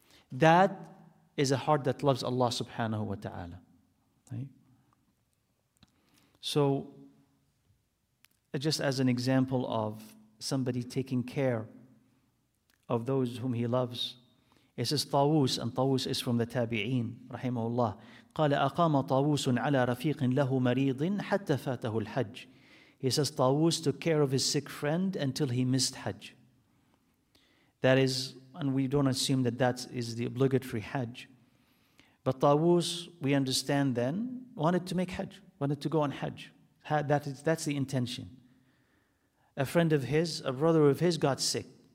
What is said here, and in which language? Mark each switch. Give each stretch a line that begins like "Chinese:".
English: That is a heart that loves Allah subhanahu wa ta'ala. Right? So just as an example of somebody taking care of those whom he loves, it says Tawus, and Tawus is from the Tabi'een, rahimahullah.
Arabic: قال أقام طاووس على رفيق له مريض حتى فاته الحج.
English: He says Tawus took care of his sick friend until he missed Hajj. That is, and we don't assume that that is the obligatory Hajj. But Tawus, we understand then, wanted to make Hajj, wanted to go on Hajj. That's the intention. A friend of his, a brother of his, got sick.